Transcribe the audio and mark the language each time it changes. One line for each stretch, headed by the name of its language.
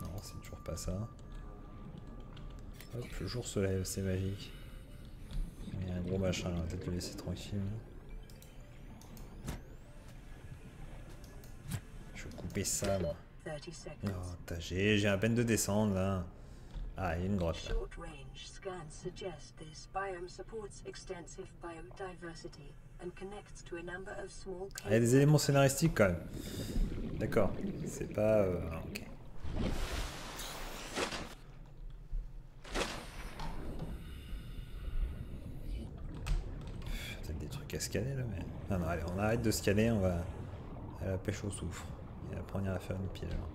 French: Non, c'est toujours pas ça. Hop, le jour se lève, c'est magique. Il y a un gros machin, on va peut-être le laisser tranquille. Je vais couper ça, moi. Oh, t'as, j'ai à peine de descendre, là. Ah, il y a une grotte.
English: Short range scans suggest this biome supports extensive biodiversity and connects to a number of small.
French: Il y a des éléments scénaristiques, quand même. D'accord. C'est pas... ok. À scanner là, mais non, non, allez, on arrête de scanner. On va à la pêche au soufre et après on ira faire une pierre.